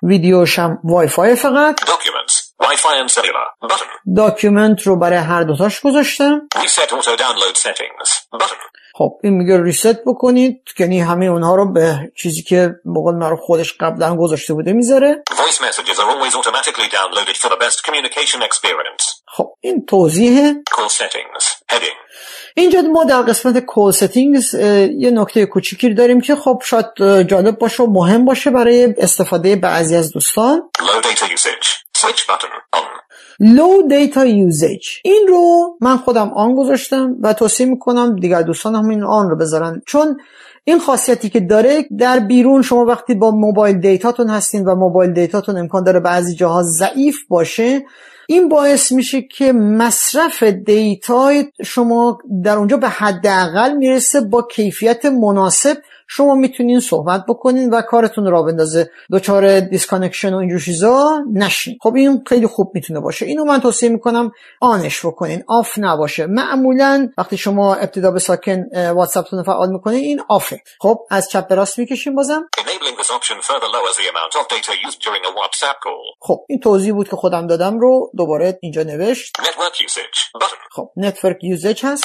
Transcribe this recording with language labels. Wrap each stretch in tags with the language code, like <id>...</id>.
<fa>ویدیوش هم Wi-Fi فقط.</fa> <en>Documents, Wi-Fi and cellular button.</en> <fa>Document رو برای هر دوتاش گذاشتم.</fa> <en>Reset auto download settings button.</en> <fa>خب این میگه ریسیت بکنید، یعنی همه اونها رو به چیزی که به قول معروف خودش قبلا گذاشته بوده میذاره.</fa> <en>Voice messages are always automatically downloaded for the best communication experience.</en> <fa>خب این توضیحه.</fa> <en>Call settings heading.</en> <fa>اینجا ما در قسمت call settings یه نکته کوچیکی داریم که خب شاید جالب باشه و مهم باشه برای استفاده بعضی از دوستان.</fa> <en>Low data usage. Switch button on. Low data usage.</en> <fa>این رو من خودم آن گذاشتم و توصیه میکنم دیگر دوستان هم این آن رو بذارن، چون این خاصیتی که داره در بیرون شما وقتی با موبایل دیتاتون هستین و موبایل دیتاتون امکان داره بعضی جاها ضعیف باشه، این باعث میشه که مصرف دیتای شما در اونجا به حداقل میرسه، با کیفیت مناسب شما میتونین صحبت بکنین و کارتون را بندازه، دوچار دیسکانکشن و اینجور چیزا نشین. خب این خیلی خوب میتونه باشه، اینو من توصیه میکنم آنش بکنین، آف نباشه. معمولا وقتی شما ابتدا به ساکن واتساپتون فعال میکنین این آفه. خب از چپ به راست میکشیم بازم.</fa> <en>Enable Disabling this option further lowers the amount of data used during a WhatsApp call.</en> <fa>خب این توضیحی بود که خودم دادم رو دوباره اینجا نوشت.</fa> <en>Network usage button.</en> <fa>خب network usage هست.</fa>